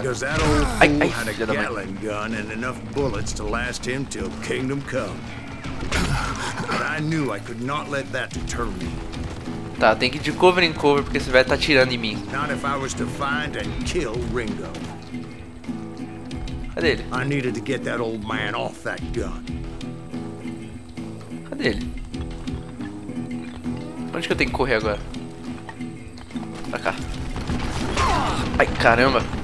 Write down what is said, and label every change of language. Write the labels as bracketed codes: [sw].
[en] Because that old fool had a Gatling gun and enough bullets to last him till kingdom come. But I knew I could not let that deter me. [pt] Tá, tem que ir de cover em cover porque esse velho tá atirando em mim. [en] Not if I was to find and kill Ringo. [pt] Cadê ele? [en] I needed to get that old man off that gun. [pt] Cadê ele? Onde que eu tenho que correr agora? Pra cá. Ai, caramba!